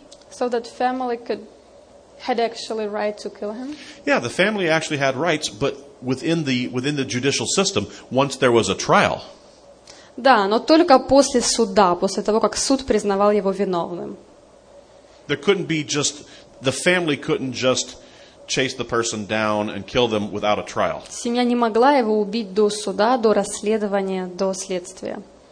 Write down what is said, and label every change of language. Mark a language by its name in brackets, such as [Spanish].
[English] So that family had actually right to kill him? Yeah, the family actually had rights, but within the judicial system, once there was a trial. [Russian] Да, но только после суда, после того, как суд признавал его виновным. [English] There couldn't be just, the family couldn't just chase the person down and kill them without a trial. [Russian] Семья не могла его убить до суда, до расследования, до следствия.